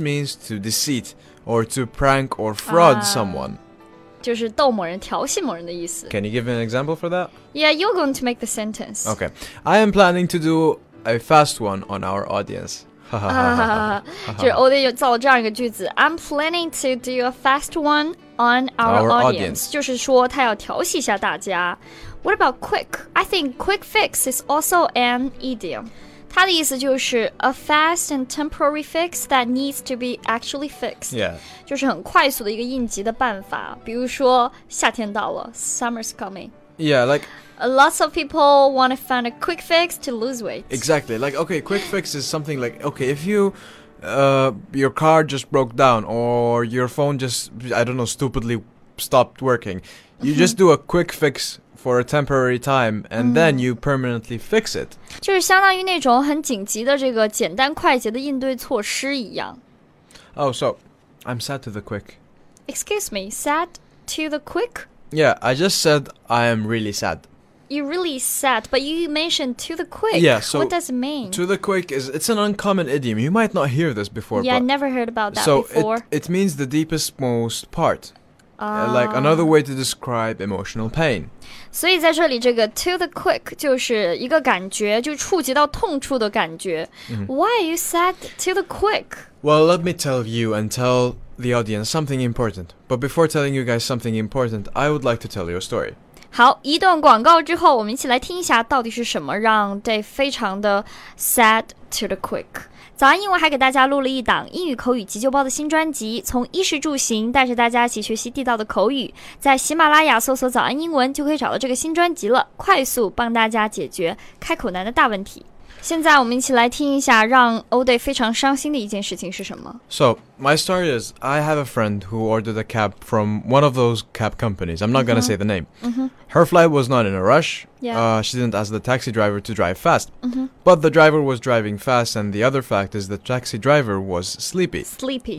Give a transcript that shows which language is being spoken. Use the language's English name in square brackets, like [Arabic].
[English] means to deceit or to prank or fraud someone. [Chinese] 就是逗某人、调戏某人的意思。 [English] Can you give an example for that? Yeah, you're going to make the sentence. Okay, I am planning to do a fast one on our audience. [Chinese] 就是 Oday 造了这样一个句子。 [English] I'm planning to do a fast one on our audience. [Chinese] 就是说他要调戏一下大家。 [English] What about quick? I think quick fix is also an idiom. [Chinese] 它的意思就是 [English] a fast and temporary fix that needs to be actually fixed. Yeah. [Chinese] 就是很快速的一个应急的办法。比如说夏天到了 [English] summer's coming. Yeah, like... Lots of people want to find a quick fix to lose weight. Exactly. Like, okay, quick fix is something like, okay, if you... your car just broke down or your phone just, I don't know, stupidly stopped working, you、mm-hmm. just do a quick fix... For a temporary time, and、mm. then you permanently fix it. [Chinese] 就是相当于那种很紧急的这个简单快捷的应对措施一样。 [English] Oh, so I'm sad to the quick. Excuse me, sad to the quick? Yeah, I just said I am really sad. You're really sad, but you mentioned to the quick. Yeah, so what does it mean? To the quick is an uncommon idiom. You might not hear this before. Yeah, I never heard about that so before. So it means the deepest, most part. Like another way to describe emotional pain. [Chinese] 所以在这里这个 to the quick 就是一个感觉就触及到痛处的感觉、mm-hmm. [English] Why are you sad to the quick? Well, let me tell you and tell the audience something important. But before telling you guys something important, I would like to tell you a story. [Chinese] 好，一段广告之后我们一起来听一下到底是什么让 Dave 非常的 sad to the quick。早安英文还给大家录了一档英语口语急救包的新专辑，从衣食住行带着大家一起学习地道的口语，在喜马拉雅搜索早安英文就可以找到这个新专辑了，快速帮大家解决开口难的大问题。现在我们一起来听一下让 Oday 非常伤心的一件事情是什么。 [English] So my story is I have a friend who ordered a cab from one of those cab companies. I'm not gonna say the name. Her flight was not in a rush. She didn't ask the taxi driver to drive fast. But the driver was driving fast, and the other fact is the taxi driver was sleepy. Sleepy.